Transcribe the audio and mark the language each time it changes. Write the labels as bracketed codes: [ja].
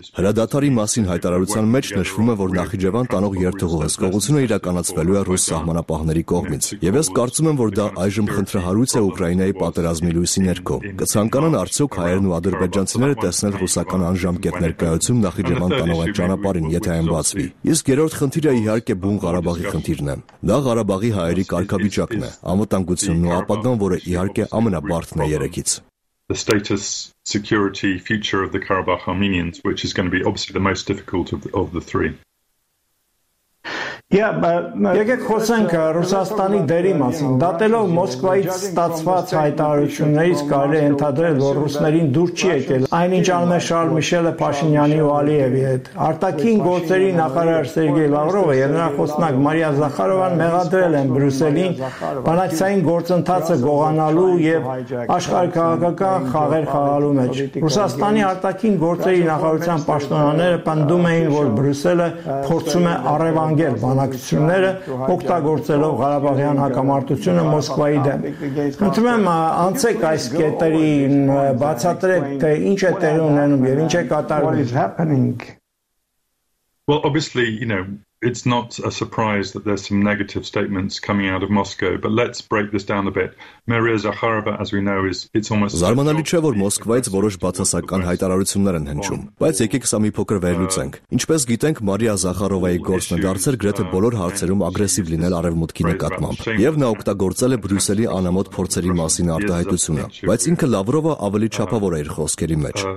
[hy] Հրադադարի մասին հայտարարության մեջ նշվում է, որ Նախիջևան տանող երթուղու հսկողությունը իրականացվելու է ռուս սահմանապահների կողմից։ Եվ ես կարծում եմ, որ դա այժմ խնդրահարույց է Ուկրաինայի պատերազմի լույսի ներքո։ Կցանկանան արդյոք հայերն ու ադրբեջանցիները տեսնել ռուսական անժամկետ ներկայություն Նախիջևան տանող այդ ճանապարհին, եթե այն բացվի։ Իսկ երրորդ խնդիրը իհարկե բուն Ղարաբաղի խնդիրն է։ Դա Ղարաբաղի հայերի կարգավիճակն է, անվտանգությունն ու ապագան, որը իհարկե ամենաբարձրն է երեքից։ [en] The status, security, future of the Karabakh Armenians, which is going to be obviously the most difficult of the three. [hy] Եկեք խոսենք Ռուսաստանի դերի մասին։ Դատելով Մոսկվայից ստացված հայտարարություններից կարելի է ենթադրել, որ ռուսներին դուր չի եկել, այնինչ անում է Շարլ Միշելը Փաշինյանի ու Ալիևի հետ։ Արտաքին գործերի նախարար Սերգեյ Լավրովը և նրա խոսնակ Մարիա Զախարովան մեղադրել են Բրյուսելին բանակցային գործընթացը գողանալու և աշխարհքաղաքական խաղեր խաղալու մեջ։ Ռուսաստանի արտաքին գործերի նախարարության պաշտոնաները պնդում էին, որ Բրյուսելը փորձում է առևանգել բանակցությունները, օգտագործելով Ղարաբաղյան հակամարտությունը Մոսկվայի դեմ։ Խնդրում եմ, անցեք այս կետերի, բացատրեք, թե ինչ է տեղի ունենում եւ ինչ է կատարվում։ [en] Well, obviously, you know, it's not a surprise that there's some negative statements coming out of Moscow, but let's break this down a bit. Maria Zakharova, as we know, it's almost [hy] Զարմանալի չէ, որ Մոսկվայից որոշ բացասական հայտարարություններ են հնչում, բայց եկեք սա մի փոքր վերլուծենք։ Ինչպես գիտենք, Մարիա Զախարովայի գործն է դարձել գրեթե բոլոր հարցերում ագրեսիվ լինել արևմուտքի նկատմամբ, եւ նա օգտագործել է Բրյուսելի անամոթ փորձերի մասին արտահայտությունը, բայց ինքը Լավրովը ավելի չափավոր է իր խոսքերի մեջ։